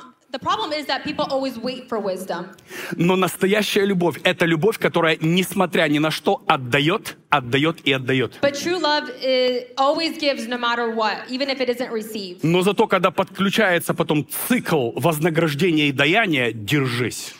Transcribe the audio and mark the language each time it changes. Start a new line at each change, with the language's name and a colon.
English: The problem is that people always wait for wisdom.
Russian: Но настоящая любовь — это любовь, которая, несмотря ни на что, отдает, отдает и отдает.
English: But true love always gives no matter what, even if it isn't received.
Russian: Но зато, когда подключается потом цикл вознаграждения и даяния, держись.